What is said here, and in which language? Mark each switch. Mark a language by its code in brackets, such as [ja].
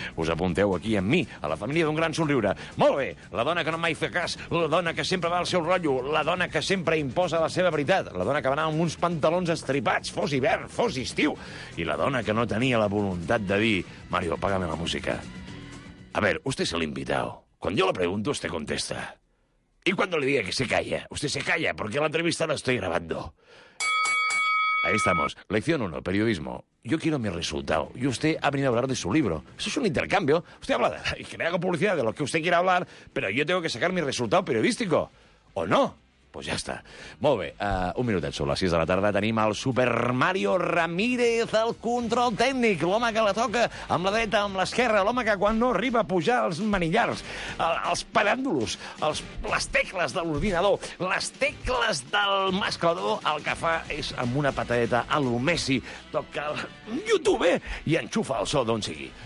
[ca] Us apunteu aquí amb mi, a la família d'un gran somriure. Molt bé, la dona que no mai fa cas, la dona que sempre va al seu rotllo, la dona que sempre imposa la seva veritat, la dona que va anar amb uns pantalons estripats, fos hivern, fos estiu, i la dona que no tenia la voluntat de dir Mario, apaga-me la música. [es] A ver, usted es el invitado. Cuando yo le pregunto, usted contesta. Y cuando le diga que se calla, usted se calla, porque la entrevista la estoy grabando. Ahí estamos. Lección 1, periodismo. Yo quiero mi resultado. Y usted ha venido a hablar de su libro. Eso es un intercambio. Usted habla y que le haga publicidad de lo que usted quiera hablar, pero yo tengo que sacar mi resultado periodístico. ¿O no? Pues ya está. [ca] Molt bé, un minutet sobre les 6 de la tarda. Tenim el Super Mario Ramírez, el control tècnic, l'home que la toca amb la dreta, amb l'esquerra, l'home que quan no arriba a pujar els manillars, els paràndolos, les tecles de l'ordinador, les tecles del mascador, el que fa és amb una patadeta a lo Messi, toca el YouTube i enxufa el so d'on sigui.